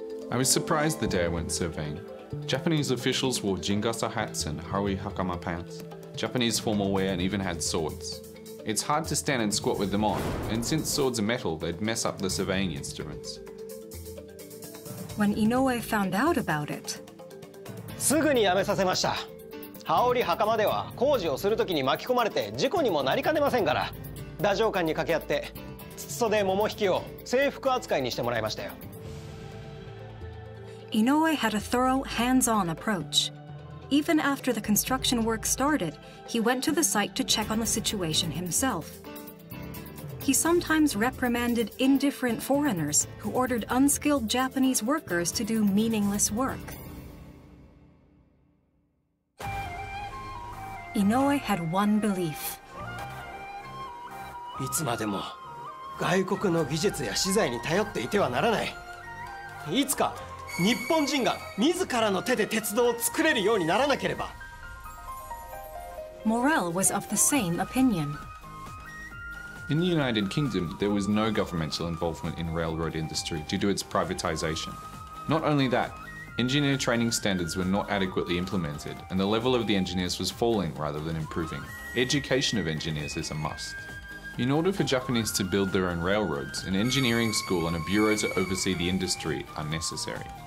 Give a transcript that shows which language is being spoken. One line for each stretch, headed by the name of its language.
English: I was surprised the day I went surveying. Japanese officials wore jingasa hats and haui hakama pants, Japanese formal wear, and even had swords. It's hard to stand and squat with them on, and since swords are metal, they'd mess up the surveying instruments. When Inoue found out about it,
Japanese: すぐにやめさせました。羽織袴では工事をするときに巻き込まれて事故にもなりかねませんから、太政官に掛け合って筒袖桃引きを制服扱いにしてもらいましたよ。
English: Inoue had a thorough, hands-on approach. Even after the construction work started, he went to the site to check on the situation himself. He sometimes reprimanded indifferent foreigners who ordered unskilled Japanese workers to do meaningless work. Inoue had one belief.
Japanese: いつまでも外国の技術や資材に頼っていてはならない。いつか日本人が自らの手で鉄道を作れるようにならなければ。
English: Morell was of the same opinion. In the United Kingdom, there was no governmental involvement in railroad industry due to its privatization. Not only that, engineer training standards were not adequately implemented, and the level of the engineers was falling rather than improving. Education of engineers is a must. In order for Japanese to build their own railroads, an engineering school and a bureau to oversee the industry are necessary.